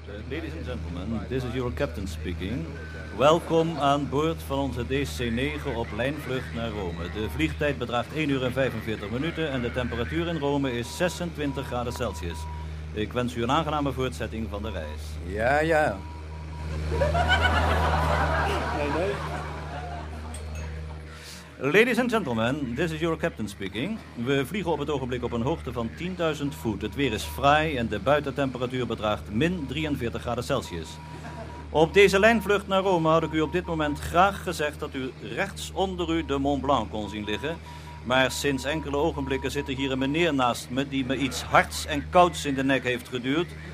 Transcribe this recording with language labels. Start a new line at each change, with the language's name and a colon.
English: Ladies and gentlemen, this is your captain speaking.
Dutch: Welkom aan boord van onze DC-9 op lijnvlucht naar Rome. De vliegtijd bedraagt 1 uur en 45 minuten en de temperatuur in Rome is 26 graden Celsius. Ik wens u een aangename voortzetting van de reis. Ja, ja. Nee, nee.
English: Ladies and gentlemen, this is your captain speaking.
Dutch: We vliegen op het ogenblik op een hoogte van 10.000 voet. Het weer is fraai en de buitentemperatuur bedraagt min 43 graden Celsius. Op deze lijnvlucht naar Rome had ik u op dit moment graag gezegd dat u rechts onder u de Mont Blanc kon zien liggen. Maar sinds enkele ogenblikken zit er hier een meneer naast me die me iets hards en kouds in de nek heeft geduwd.